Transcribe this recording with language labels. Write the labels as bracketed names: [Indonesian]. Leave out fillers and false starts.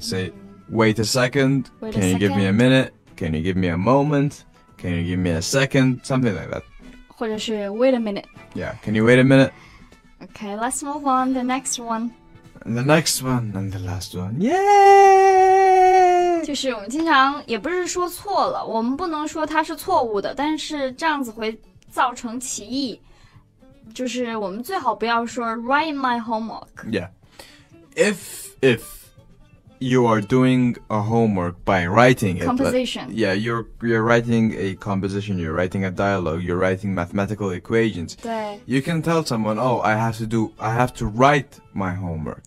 [English] Say, wait a second. Can you give me a minute? Can you give me a moment? Can you give me a second? Something like that. [Chinese] 或者是 [English] wait a minute. Yeah, can you wait a minute? Okay, let's move on to the next one. And the next one and the last one. Yay! [Chinese] 就是我们经常也不是说错了，我们不能说它是错误的，但是这样子会造成歧义。就是我们最好不要说 [English] write my homework. Yeah. If you are doing a homework by writing it. Composition. Yeah, you're writing a composition, you're writing a dialogue, you're writing mathematical equations. [Chinese] 对。 [English] You can tell someone, oh, I have to write my homework.